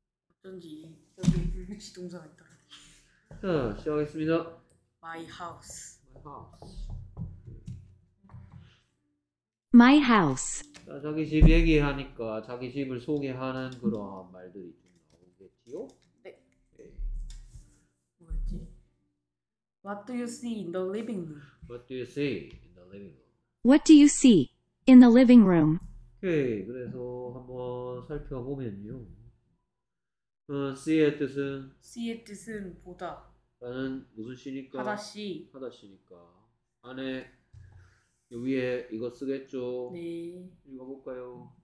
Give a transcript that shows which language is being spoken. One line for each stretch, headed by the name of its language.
Korean: 어쩐지 여기 불규칙 동사가 있더라. 자, 시작하겠습니다.
English: My house. My house. My house.
Korean: 자, 자기 집 얘기하니까 자기 집을 소개하는 그러한 말들이 좀 나오겠지요? 뭐였지?
English: What do you see in the living room? What do you see in the living room? What do you see in the living room?
Korean: 오케이, 그래서 한번 살펴보면요. see의 뜻은 C의 뜻은 보다. 나는 무슨 시니까 하다시. 하다 시니까 안에 위에 이거 쓰겠죠. 네. 읽어볼까요?